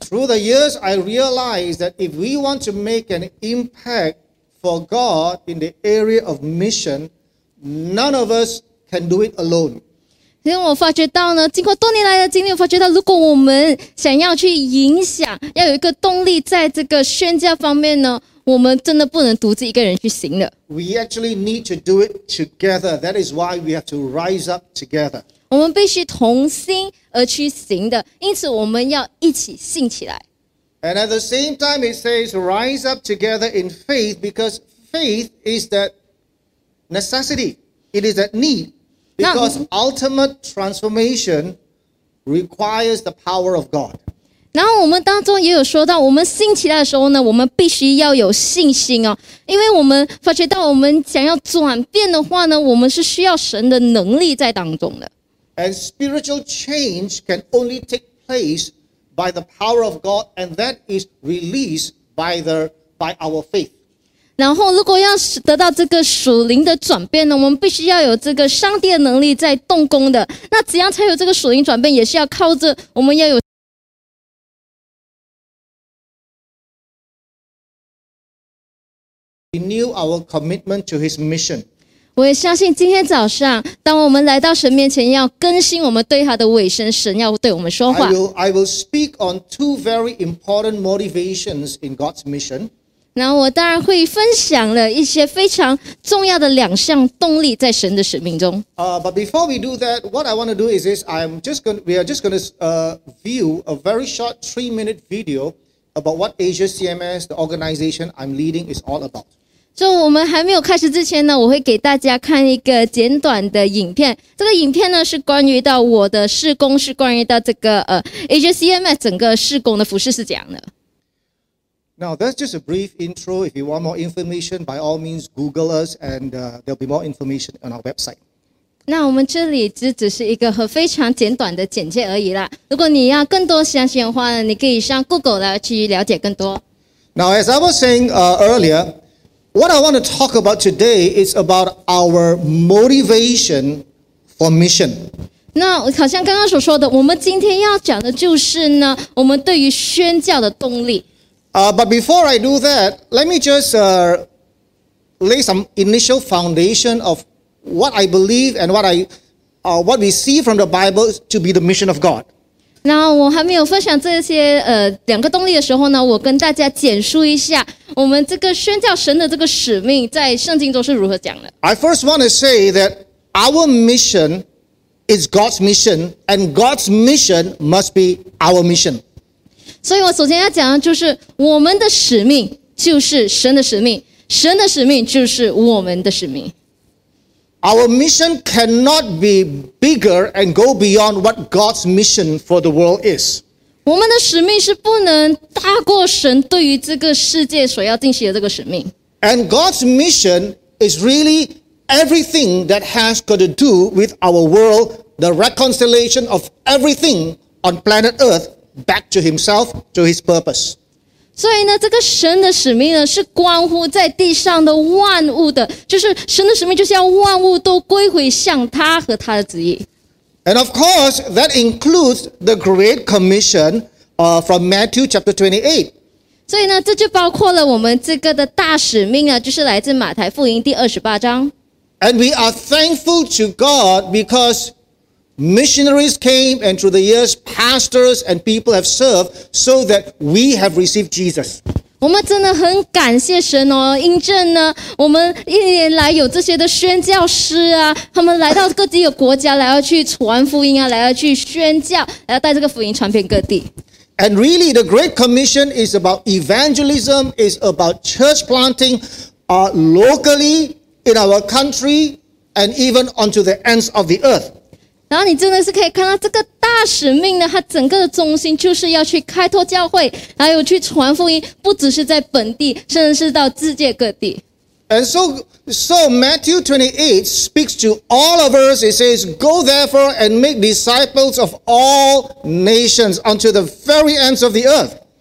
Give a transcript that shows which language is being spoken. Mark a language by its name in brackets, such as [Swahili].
[English] Through the years, I realized that if we want to make an impact for God in the area of mission, none of us can do it alone. [Chinese] 因为我发觉到呢，经过多年来的经历，我发觉到如果我们想要去影响，要有一个动力在这个宣教方面呢，我们真的不能独自一个人去行的。 [English] We actually need to do it together. That is why we have to rise up together. [Chinese] 我们必须同心而去行的，因此我们要一起信起来。 [English] And at the same time, it says rise up together in faith because faith is that necessity. It is that need. Because ultimate transformation requires the power of God. [Chinese] 然后我们当中也有说到，我们信起来的时候呢，我们必须要有信心哦，因为我们发觉到，我们想要转变的话呢，我们是需要神的能力在当中的。 [English] And spiritual change can only take place by the power of God, and that is released by our faith. [Chinese] 然后如果要得到这个属灵的转变呢，我们必须要有这个上帝的能力在动工的。那怎样才有这个属灵转变，也是要靠着我们要有 [English] renew our commitment to his mission。 [Chinese] 我也相信今天早上当我们来到神面前要更新我们对他的委身，神要对我们说话。 [English] I will speak on two very important motivations in God's mission。 [Chinese] 那我当然会分享了一些非常重要的两项动力在神的使命中。 [English] But before we do that, what I want to do is this: we are just going to view a very short 3-minute video about what Asia CMS, the organization I'm leading, is all about. [Chinese] 就我们还没有开始之前呢，我会给大家看一个简短的影片。这个影片呢是关于到我的事工，是关于到这个Asia CMS 整个事工的服事是怎样的。 [English] Now, that's just a brief intro. If you want more information, by all means, Google us, and there'll be more information on our website. [Chinese] 那我们这里只是一个非常简短的简介而已啦。如果你要更多详细的话呢，你可以上 Google 来去了解更多。 [English] Now, as I was saying earlier, what I want to talk about today is about our motivation for mission. [Chinese] 那好像刚刚所说的，我们今天要讲的就是呢，我们对于宣教的动力。 [English] But before I do that, let me just lay some initial foundation of what I believe and what we see from the Bible to be the mission of God. [Chinese] 那我还没有分享这些两个动力的时候呢，我跟大家简述一下我们这个宣教神的这个使命在圣经中是如何讲的。 [English] I first want to say that our mission is God's mission, and God's mission must be our mission. [Chinese] 所以我首先要讲的就是我们的使命就是神的使命，神的使命就是我们的使命。 [English] Our mission cannot be bigger and go beyond what God's mission for the world is. [Chinese] 我们的使命是不能大过神对于这个世界所要定期的这个使命。 [English] And God's mission is really everything that has got to do with our world, the reconciliation of everything on planet Earth. Back to himself, to his purpose. [Chinese] 所以呢，这个神的使命呢，是关乎在地上的万物的，就是神的使命，就是要万物都归回向他和他的旨意。 [English] And of course, that includes the Great Commission, from Matthew chapter 28. [Chinese] 所以呢，这就包括了我们这个的大使命啊，就是来自马太福音第28章。 [English] And we are thankful to God because. Missionaries came, and through the years, pastors and people have served so that we have received Jesus. [Chinese] 我们真的很感谢神哦，因着呢，我们一年来有这些的宣教师啊，他们来到各地的国家，来要去传福音啊，来要去宣教，来要带这个福音传遍各地。 [English] And really, the Great Commission is about evangelism, is about church planting, locally in our country, and even onto the ends of the earth. [Chinese] 然后你真的是可以看到这个大使命呢，它整个的中心就是要去开拓教会，还有去传福音，不只是在本地，甚至是到世界各地。 [English] And so Matthew 28 speaks to all of us. It says, "Go therefore and make disciples of all nations unto the very ends of the earth."